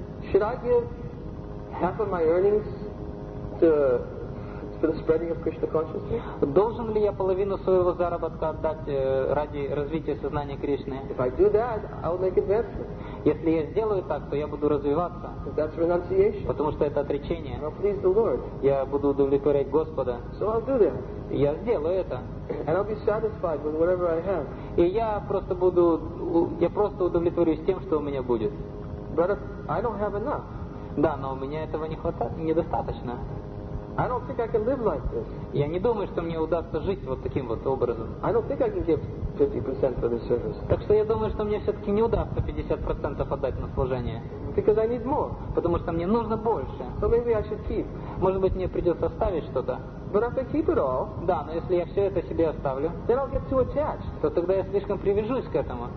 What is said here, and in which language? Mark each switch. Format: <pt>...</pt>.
<en>Should I give half of my earnings for the spreading of Krishna consciousness?</en> <ru>Должен ли я половину своего заработка отдать ради развития сознания Кришны?</ru> <en>If I do that, I will make advancement.</en> <ru>Если я сделаю так, то я буду развиваться.</ru> <en>That's renunciation.</en> <ru>Потому что это отречение.</ru> <en>I'll please the Lord.</en> <ru>Я буду удовлетворять Господа.</ru> <en>So I'll do that.</en> <ru>Я сделаю это.</ru> <en>And I'll be satisfied with whatever I have.</en> <ru>И я просто удовлетворюсь тем, что у меня будет.</ru> <en>But I don't have enough.</en> <ru>Да, но у меня этого не хватает, недостаточно.</ru> <en>I don't think I can live like this.</en> <ru>Я не думаю, что мне удастся жить вот таким вот образом.</ru> <en>I don't think I can give 50% for the service.</en> <ru>Так что я думаю, что мне все-таки не удастся 50% отдать на служение.</ru> <en>Because I need more.</en> <ru>Потому что мне нужно больше.</ru> <en>So maybe I should keep.</en> <ru>Может быть, мне придется оставить что-то.</ru> <en>But if I keep it all,</en> <ru>да, но если я все это себе оставлю,</ru> <en>then I'll get too attached.</en> <ru>То тогда я слишком привяжусь к этому.</ru>